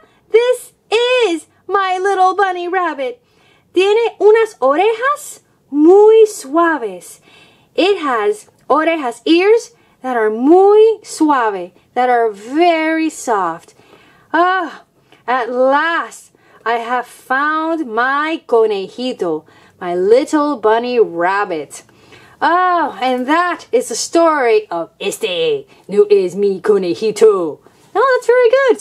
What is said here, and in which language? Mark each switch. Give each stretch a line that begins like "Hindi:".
English: This is my little bunny rabbit.
Spanish: Tiene unas orejas muy suaves.
English: It has orejas, ears, that are
Spanish: muy suave,
English: that are very soft. Ah, at last, I have found my conejito, my little bunny rabbit. Oh, and that is the story of Este, no es mi conejito. Oh, that's very good.